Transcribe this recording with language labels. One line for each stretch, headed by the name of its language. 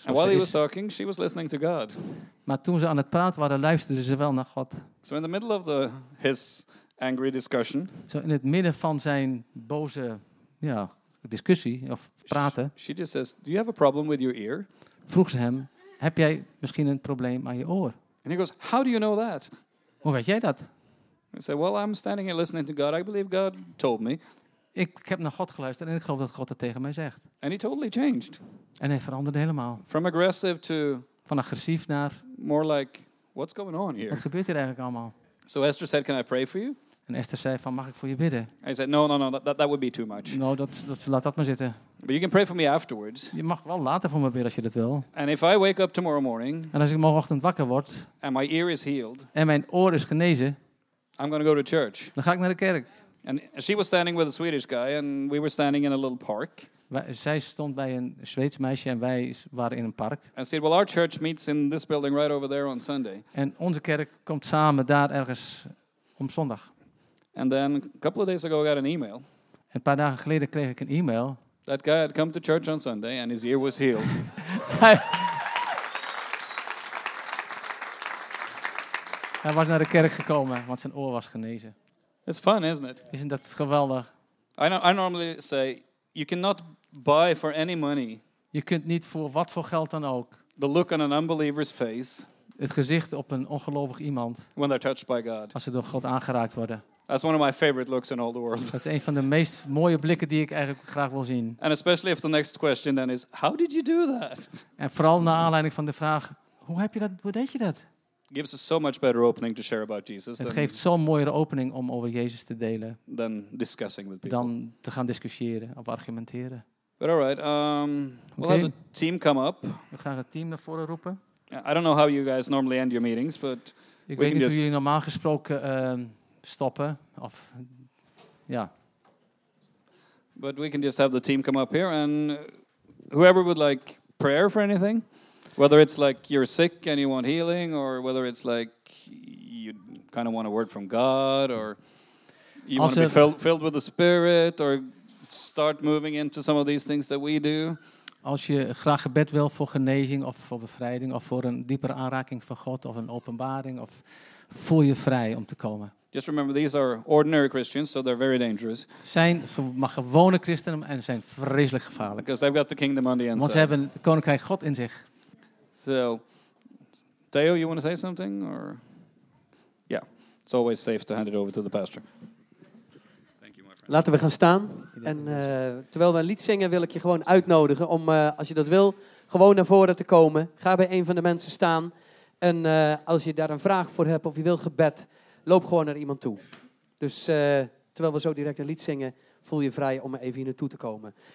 English: And while he was talking, she was listening to God.
Dutch: Maar toen ze aan het praten waren, luisterde ze wel naar God.
English: So in the middle of his angry discussion.
Dutch: Zo in het midden van zijn boze discussie of praten.
English: She just says, "Do you have a problem with your ear?"
Dutch: Vroeg ze hem, "Heb jij misschien een probleem aan je oor?"
English: And he goes, "How do you know that?"
Dutch: Hoe weet jij dat?
English: I said, "Well, I'm standing here listening to God. I believe God told me."
Dutch: Ik heb naar God geluisterd en ik geloof dat God het tegen mij zegt.
English: And he totally changed.
Dutch: En hij veranderde helemaal.
English: From aggressive to
Dutch: van agressief naar
English: more like, what's going on here?
Dutch: Wat gebeurt hier eigenlijk allemaal?
English: So Esther said, "Can I pray for you?"
Dutch: En Esther zei van, mag ik voor je bidden?
English: I said, no, that would be too much.
Dutch: No, dat laat dat maar zitten.
English: But you can pray for me afterwards.
Dutch: Je mag wel later voor me bidden als je dat wil.
English: And if I wake up tomorrow morning,
Dutch: en als ik morgenochtend wakker word,
English: and my ear is healed,
Dutch: en mijn oor is genezen,
English: I'm going to go to church.
Dutch: Dan ga ik naar de kerk.
English: And she was standing with a Swedish guy, and we were standing in a little park.
Dutch: Zij stond bij een Zweeds meisje en wij waren in een park.
English: And said, "Well, our church meets in this building right over there on Sunday."
Dutch: En onze kerk komt samen daar ergens om zondag.
English: And then a couple of days ago, I got an email.
Dutch: Een paar dagen geleden kreeg ik een e-mail.
English: That guy had come to church on Sunday and his ear was healed.
Dutch: Hij was naar de kerk gekomen, want zijn oor was genezen.
English: It's fun, isn't it?
Dutch: Isn't dat geweldig?
English: I normally say, you cannot buy for any money.
Dutch: Je kunt niet voor wat voor geld dan ook.
English: The look on an unbeliever's face.
Dutch: Het gezicht op een ongelovig iemand.
English: When they're touched by God.
Dutch: Als ze door God aangeraakt worden.
English: That's one of my favorite looks in all the world.
Dutch: Dat is een van de meest mooie blikken die ik eigenlijk graag wil zien.
English: And especially if the next question then is, how did you do that?
Dutch: En vooral naar aanleiding van de vraag, hoe deed je dat?
English: Gives us so much better opening to share about Jesus.
Dutch: Het geeft zo'n mooiere opening om over Jezus te delen.
English: Than discussing with people.
Dutch: Dan te gaan discussiëren of argumenteren.
English: But all right, we'll okay. Have the team come up.
Dutch: We gaan het team naar voren roepen.
English: I don't know how you guys normally end your meetings, but
Dutch: ik weet niet hoe jullie normaal gesproken stoppen of
English: But we can just have the team come up here and whoever would like prayer for anything. Whether it's like you're sick and you want healing, or whether it's like you kind of want a word from God, or you want to be filled with the Spirit, or start moving into some of these things that we do.
Dutch: Als je graag gebed wil voor genezing, of voor bevrijding, of voor een diepere aanraking van God, of een openbaring, of voel je vrij om te komen.
English: Just remember, these are ordinary Christians, so they're very dangerous.
Dutch: Zijn maar gewone christenen en zijn vreselijk gevaarlijk.
English: Because they've got the kingdom on the inside.
Dutch: Want ze hebben de koninkrijk God in zich.
English: So, Theo, you want to say something? Or it's always safe to hand it over to the pastor. Thank you, my friend.
Dutch: Laten we gaan staan. En terwijl we een lied zingen, wil ik je gewoon uitnodigen om, als je dat wil, gewoon naar voren te komen. Ga bij een van de mensen staan. En als je daar een vraag voor hebt of je wil gebed, loop gewoon naar iemand toe. Dus terwijl we zo direct een lied zingen, voel je vrij om even hier naartoe te komen.